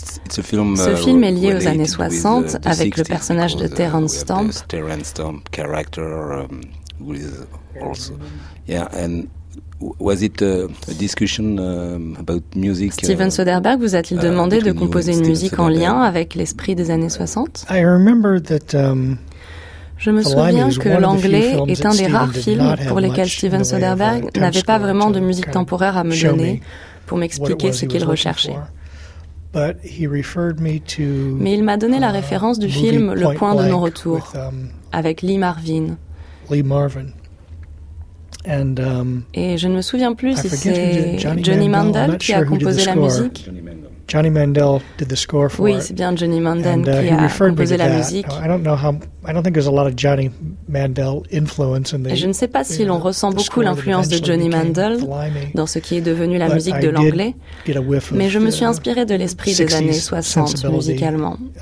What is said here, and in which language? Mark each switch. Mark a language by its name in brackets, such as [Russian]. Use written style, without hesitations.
[French] Ce film est lié aux années 60 avec le personnage de Terence Stamp. [English] Terence Stamp character with also yeah and was it a discussion about music? [French] Steven Soderbergh, vous a-t-il demandé de composer une musique en lien avec l'esprit des années 60? [English] I remember that [French] Je me souviens que L'Anglais est un des rares films pour lesquels Steven Soderbergh n'avait pas vraiment de musique temporaire à me donner pour m'expliquer ce qu'il recherchait. Mais il m'a donné la référence du film Le Point de non-retour avec Lee Marvin. Et je ne me souviens plus si c'est Johnny Mandel qui a composé la musique. [English] Johnny Mandel did the score for it. [French] Oui, c'est bien Johnny Mandel qui a composé la musique. [English] I don't know how. I don't think there's a lot of Johnny Mandel influence in the. [French] Et je ne sais pas si l'on ressent beaucoup l'influence de Johnny Mandel dans ce qui est devenu la musique de L'Anglais. Mais je me suis inspiré de l'esprit des années 60 musicalement.